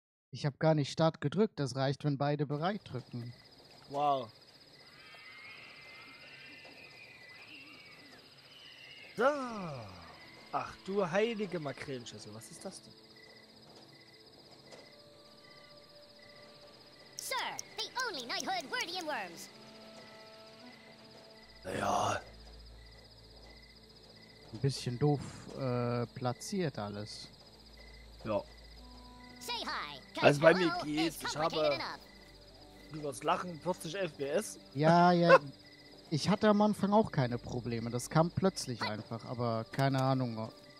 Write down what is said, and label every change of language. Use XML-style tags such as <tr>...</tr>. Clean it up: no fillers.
<de>Ich habe gar nicht Start gedrückt. Das reicht, wenn beide bereit drücken. Wow. So. Ach du heilige Makrelenschüssel, was ist das denn?</de> <en>Sir, the only knighthood worthy in Worms.</en> <de>Naja. Ein bisschen doof platziert alles. Ja.</de> <en>Say hi,</en> <de>also bei mir geht's, ich habe übers Lachen 40 FPS. Ja, ja. Ich hatte am Anfang auch keine Probleme. Das kam plötzlich einfach, aber keine Ahnung.</de>